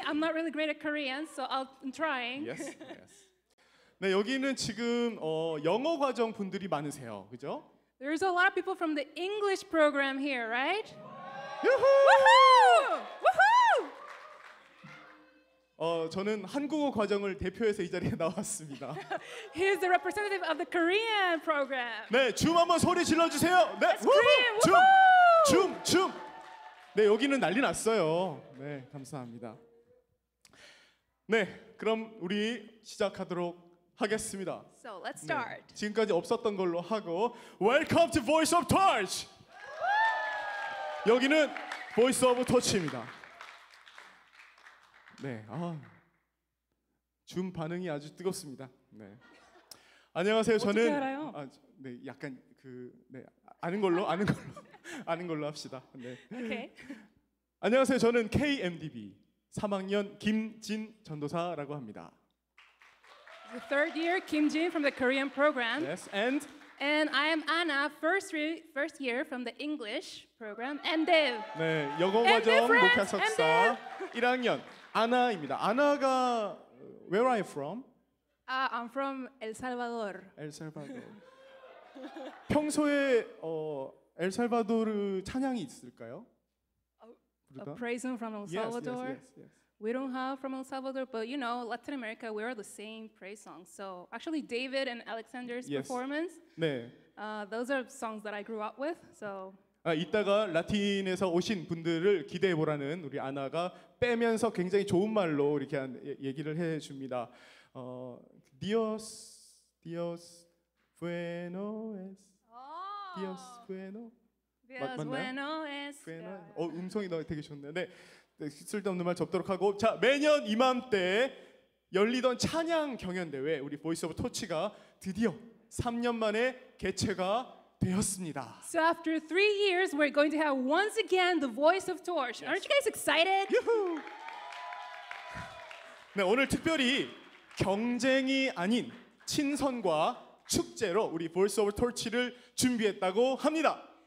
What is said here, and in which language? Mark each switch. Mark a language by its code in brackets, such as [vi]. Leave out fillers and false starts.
[en] I'm not really great at Korean, so I'm trying. Yes, yes. [ko] 네, 여기는 지금 영어 과정 분들이 많으세요, 그죠? [en] There's a lot of people from the English program here, right? 유후! 우후! 우후! [ko] 저는 한국어 과정을 대표해서 이 자리에 나왔습니다. [en] He's the representative of the Korean program. [ko] 네, 줌 한번 소리 질러 주세요. 네, 줌, 줌, 줌. 네, 여기는 난리 났어요. 네, 감사합니다. 네, 그럼 우리 시작하도록 하겠습니다. [en] So let's start. [ko] 네, 지금까지 없었던 걸로 하고, [en] Welcome to Voice of Torch. [ko] 여기는 보이스 오브 터치입니다. 네, 아, 줌 반응이 아주 뜨겁습니다. 네, 안녕하세요. 저는 어떻게 알아요? 아, 네, 약간 그 네 아는 걸로 아는 걸로 아는 걸로 합시다. 네. 오케이. 안녕하세요. 저는 KMDB 3학년 김진 전도사라고 합니다. [en] The third year Kim Jin from the Korean program. Yes, and. And I am Anna, first year from the English program, and Dev. [ko] 네, 영어 과정 목표 석사 1학년 아나입니다. 아나가 [en] where are you from? I'm from El Salvador. [ko] El Salvador. 평소에 El Salvador 찬양이 있을까요? [en] A praise from El Salvador. Yes, yes, yes, yes. We don't have from El Salvador, but you know, Latin America, we are the same praise songs. So actually, David and Alexander's yes. performance, [ko] 네. [en] Those are songs that I grew up with. So. [ko] 아, 이따가 라틴에서 오신 분들을 기대해 보라는 우리 아나가 빼면서 굉장히 좋은 말로 이렇게 얘기를 해줍니다. [es] Dios, Dios bueno es. Dios bueno. [ko] 맞나요? 뭐 음성이 되게 좋네. 네, 쓸데없는 말 접도록 하고 자 매년 이맘때 열리던 찬양 경연대회 우리 보이스 오브 토치가 드디어 3년 만에 개최가 되었습니다. [en] So after three years, we're going to have once again the Voice of Torch. Yes. Aren't you guys excited? [ko] 네, 오늘 특별히 경쟁이 아닌 친선과 축제로 우리 Voice of Torch를 준비했다고 합니다.